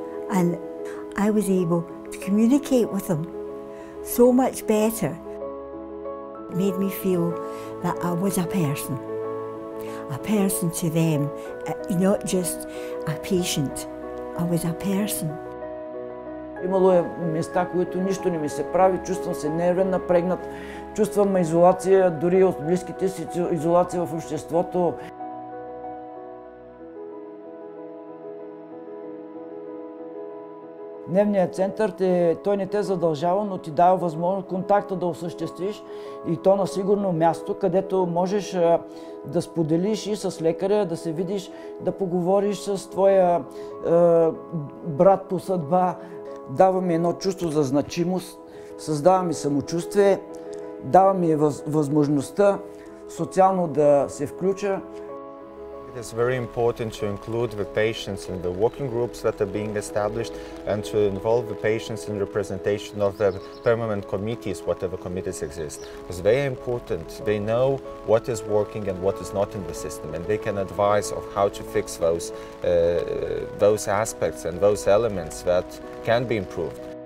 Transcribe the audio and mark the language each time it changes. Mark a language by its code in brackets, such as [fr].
[en] And I was able to communicate with them so much better. It made me feel that I was a person. A person to them, not just a patient. I was a person. [bg] Имало е места, които нищо не ми се прави. Чувствам се нервен, напрегнат. Чувствам изолация, дори от близките си изолация в обществото. Дневният център той не те задължава, но ти дава възможност контакта да осъществиш и то на сигурно място, където можеш да споделиш и с лекаря, да се видиш, да поговориш с твоя брат по съдба. Дава ми едно чувство за значимост, създава ми самочувствие, дава ми възможността социално да се включа. [en] It is very important to include the patients in the working groups that are being established and to involve the patients in representation of the permanent committees, whatever committees exist. Because they are important. They know what is working and what is not in the system, and they can advise of how to fix those aspects and those elements that can be improved.